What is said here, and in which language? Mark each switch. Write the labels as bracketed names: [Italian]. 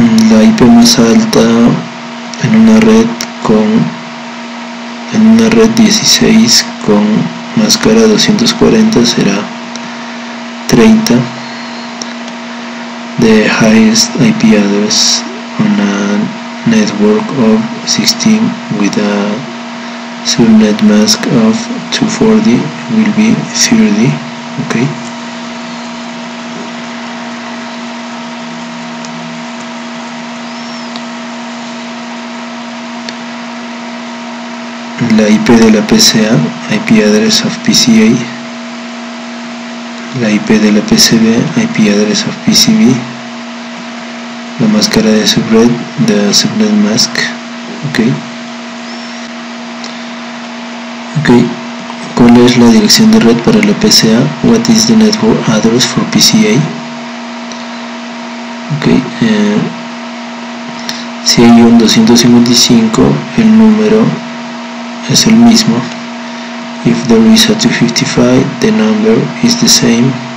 [Spanish] La IP más alta en una red con 16 con máscara 240 será 30. [English] The highest IP address on a network of 16 with a subnet mask of 240 will be 30. Okay. [Spanish] La IP de la PCA, [English] IP address of PCA. [Spanish] La IP de la PCB, [English] IP address of PCB. [Spanish] La máscara de subred, [English] the subnet mask. [Spanish] Okay. [English] Okay. [Spanish] ¿Cuál es la dirección de red para la PCA? [English] What is the network address for PCA? Okay. [Spanish] Si hay un 255, el número es el mismo. [English] If there is a 255, the number is the same.